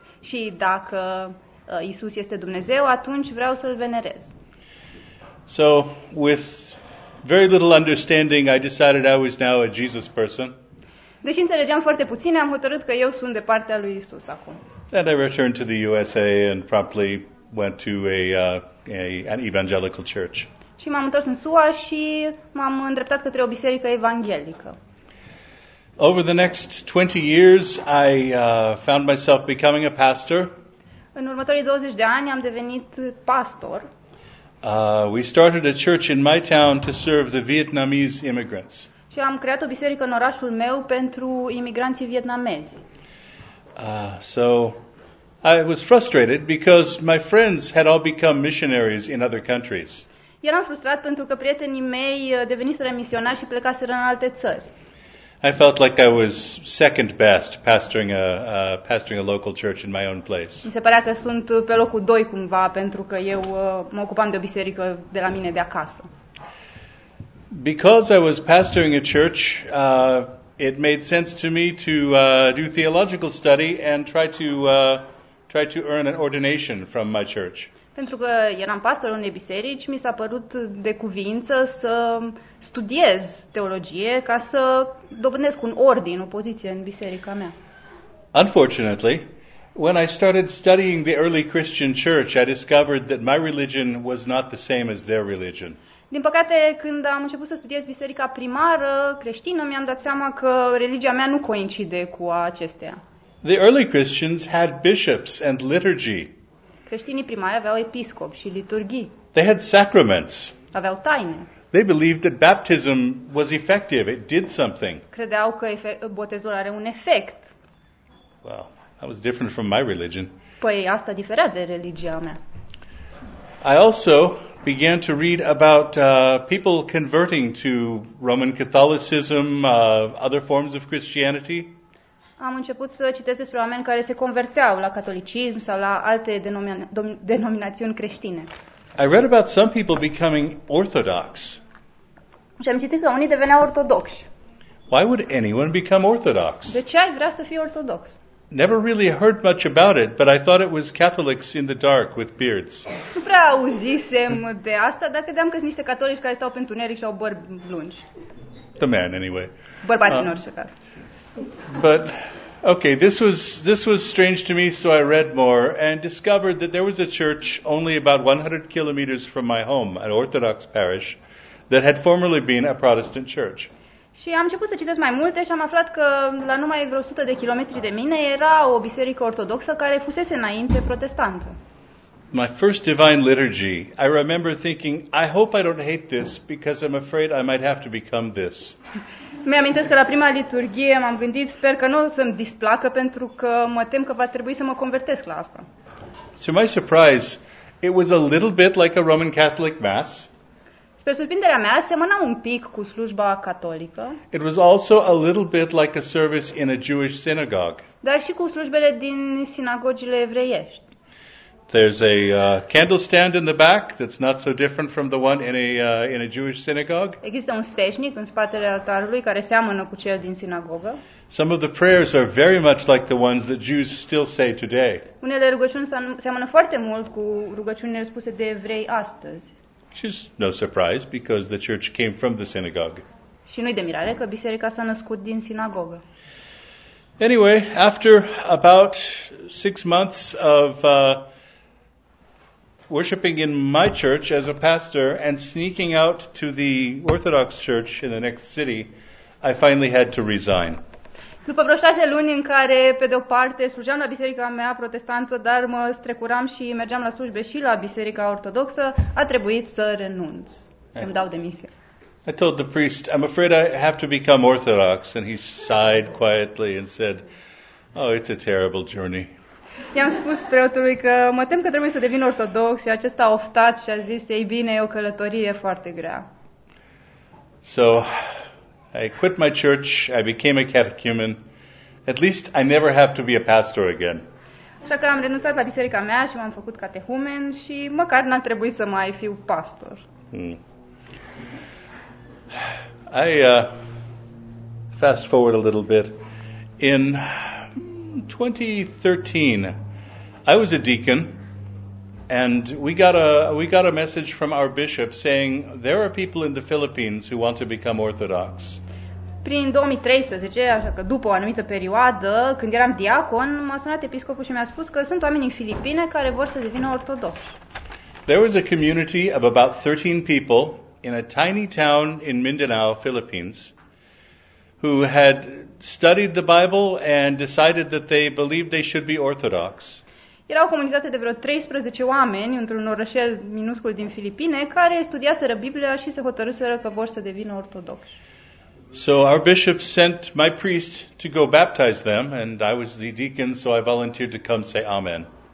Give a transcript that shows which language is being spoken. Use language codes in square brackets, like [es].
[ro] Și dacă Isus este Dumnezeu, atunci vreau să-l venerez. [en] So, with very little understanding, I decided I was now a Jesus person. [ro] Deși înțelegeam foarte puțin, am hotărât că eu sunt de partea lui Isus acum. [en] And I returned to the USA and promptly went to an evangelical church. [ro] Și m-am întors în SUA și m-am îndreptat către o biserică evanghelică. [en] Over the next 20 years, I found myself becoming a pastor. [ro] În următorii 20 de ani am devenit pastor. [en] We started a church in my town to serve the Vietnamese immigrants. [ro] Și am creat o biserică în orașul meu pentru imigranții vietnamezi. [en] So I was frustrated because my friends had all become missionaries in other countries. [ro] Eram frustrat pentru că prietenii mei deveniseră misionari și plecaseră în alte țări. [en] I felt like I was second best pastoring a local church in my own place. [ro] Mi se părea că sunt pe locul doi cumva pentru că eu mă ocupam de o biserică de la mine de acasă. [en] Because I was pastoring a church, it made sense to me to do theological study and try to earn an ordination from my church. [ro] Pentru că eram pastor unei biserici, mi s-a părut de cuvință să studiez teologie ca să dobândesc un ordin, o poziție în biserica mea. [en] Unfortunately, when I started studying the early Christian church, I discovered that my religion was not the same as their religion. [ro] Din păcate, când am început să studiez biserica primară creștină, mi-am dat seama că religia mea nu coincide cu acestea. [en] The early Christians had bishops and liturgy. [ro] Creștinii primari aveau episcopi și liturghii. [en] They had sacraments. [ro] Aveau taine. [en] They believed that baptism was effective. It did something. [ro] Credeau că botezul are un efect. [en] Well, that was different from my religion. [ro] Păi asta diferea de religia mea. [en] I also began to read about people converting to Roman Catholicism, other forms of Christianity. [ro] Am început să citesc despre oameni care se converteau la catolicism sau la alte denominațiuni creștine. [en] I read about some people becoming orthodox. [ro] Și am citit că unii deveneau ortodoxi. [en] Why would anyone become orthodox? [ro] De ce ai vrea să fii ortodox? [en] Never really heard much about it, but I thought it was Catholics in the dark with beards. [ro] Nu prea auzisem de asta, dar credeam că sunt niște catolici care stau pe întuneric și au bărbi lungi. [en] The man, anyway. [ro] Bărbați în orice caz. [en] But okay, this was strange to me, so I read more and discovered that there was a church only about 100 kilometers from my home, an Orthodox parish that had formerly been a Protestant church. [ro] Și am început să citesc mai multe și am aflat că la numai vreo 100 de kilometri de mine era o biserică ortodoxă care fusese înainte protestantă. [en] My first divine liturgy. I remember thinking, I hope I don't hate this because I'm afraid I might have to become this. [ro] Mi amintesc că la prima liturghie m-am gândit, sper că nu o să-mi displacă pentru că mă tem că va trebui să mă convertesc la asta. [en] To my surprise, it was a little bit like a Roman Catholic mass. [ro] Spre surprinderea mea, semăna un pic cu slujba catolică. [en] It was also a little bit like a service in a Jewish synagogue. [ro] Dar și cu slujbele din sinagogile evreiești. [en] There's a candle stand in the back that's not so different from the one in a Jewish synagogue. [ro] Există un sfeșnic în spatele altarului care seamănă cu cel din sinagogă. [en] Some of the prayers are very much like the ones that Jews still say today. [ro] Unele rugăciuni seamănă foarte mult cu rugăciunile spuse de evrei astăzi. [en] Which is no surprise because the church came from the synagogue. [ro] Și nu-i de mirare că biserica s-a născut din sinagogă. [en] Anyway, after about 6 months of worshiping in my church as a pastor and sneaking out to the Orthodox church in the next city, I finally had to resign. [ro] După vreo 6 luni în care, pe de-o parte, slujeam la biserica mea protestantă, dar mă strecuram și mergeam la slujbe și la biserica ortodoxă, a trebuit să renunț, să-mi dau demisia. [en] I told the priest, I'm afraid I have to become Orthodox, and he sighed quietly and said, oh, it's a terrible journey. [ro] I-am spus preotului că mă tem că trebuie să devin ortodox și acesta a oftat și a zis, ei bine, e o călătorie foarte grea. [en] So, I quit my church, I became a catechumen. At least I never have to be a pastor again. [ro] Așa că am renunțat la biserica mea și m-am făcut catehumen și măcar n-a trebuit să mai fiu pastor. [en] I fast forward a little bit. In 2013, I was a deacon, and we got a message from our bishop saying there are people in the Philippines who want to become Orthodox. [ro] Prin 2013, așa că după o anumită perioadă, când eram diacon, m-a sunat episcopul și mi-a spus că sunt oameni în Filipine care vor să devină ortodoxi. [en] There was a community of about 13 people in a tiny town in Mindanao, Philippines, who had studied the Bible and decided that they believed they should be Orthodox. [ro] Era o comunitate de vreo 13 oameni într-un orășel minuscul din Filipine care studiaseră Biblia și se hotărâseră că vor să devină ortodoxi. [en] So our bishop sent my priest to go baptize them, and I was the deacon, so I volunteered to come say amen.